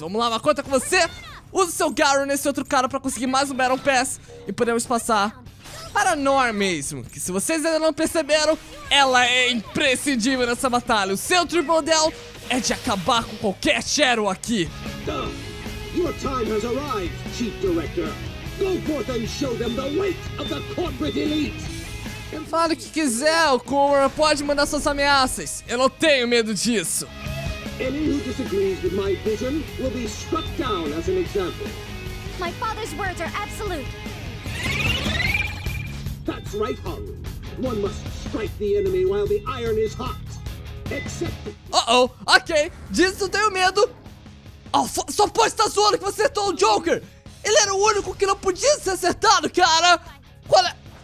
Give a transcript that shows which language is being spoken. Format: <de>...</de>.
<pt>Vamos lá, Makoto, com você. Usa o seu Garou nesse outro cara para conseguir mais um Baron Pass e podemos passar para Norm mesmo, que se vocês ainda não perceberam, ela é imprescindível nessa batalha. O seu Triple Down é de acabar com qualquer Shadow aqui.</pt> <en>Your time has arrived, Chief Director. Go forth and show them the weight of the corporate elite!</en> <pt>Fale o que quiser, Okumura, pode mandar suas ameaças. Eu não tenho medo disso.</pt> <en>Any who disagrees with my vision will be struck down as an example. My father's words are absolute. That's right, Haru. One must strike the enemy while the iron is hot. Except...</en> <pt>Uh-oh, ok. Disso eu tenho medo. Oh, só pode estar zoando que você acertou o Joker. Ele era o único que não podia ser acertado, cara! Qual é?</pt>